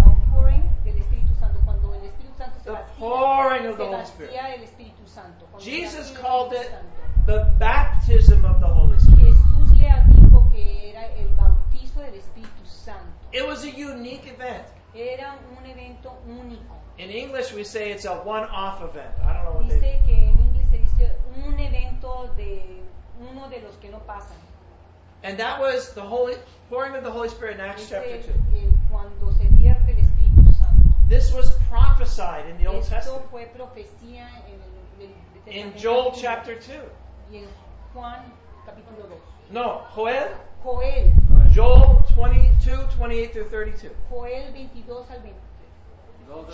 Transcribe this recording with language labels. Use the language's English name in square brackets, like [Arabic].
[Spanish] Outpouring del Espíritu Santo, cuando el Espíritu Santo se [English] the pouring of the Holy Spirit. [Spanish] El Espíritu Santo. [English] Jesus called it the baptism of the Holy Spirit. [Spanish] Jesús le dijo que era el bautizo del Espíritu Santo. [English] It was a unique event. [Spanish] Era un evento único. [English] In English, we say it's a one-off event. [Spanish] Dice que en inglés se dice un evento de uno de los que no pasan. [English] And that was the holy pouring of the Holy Spirit in Acts chapter 2. [Spanish] Cuando se vierte el Espíritu Santo. [English] This was prophesied in the [Spanish] Esto [English] Old Testament. [Spanish] Fue profecía [English] in Joel chapter 2. [Spanish] Y en Juan capítulo 2. [English] No, Joel. [Spanish] Joel. [English] Joel 22, 28 through 32. [Spanish] Joel 22 al 23.